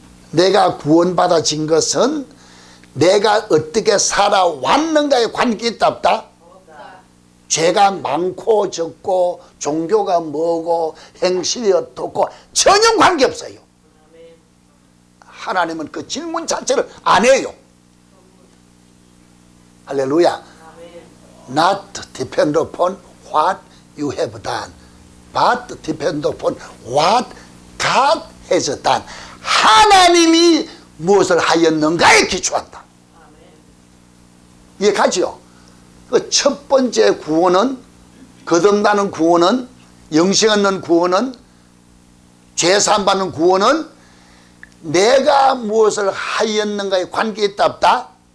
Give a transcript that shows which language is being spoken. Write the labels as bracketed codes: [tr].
[ko] 내가 구원받아진 것은 내가 어떻게 살아왔는가에 관계 있다 없다? 없다. 죄가 많고 적고 종교가 뭐고 행실이 어떻고 전혀 관계 없어요. 하나님은 그 질문 자체를 안 해요. 할렐루야. [en] Not depend upon what you have done, but depend upon what God has done. [ko] 하나님이 무엇을 하였는가에 기초한다. 이해가지요? 그 첫 번째 구원은, 거듭나는 구원은, 영생 얻는 구원은, 죄사함 받는 구원은 내가 무엇을 하였는가에 관계 있다 없다?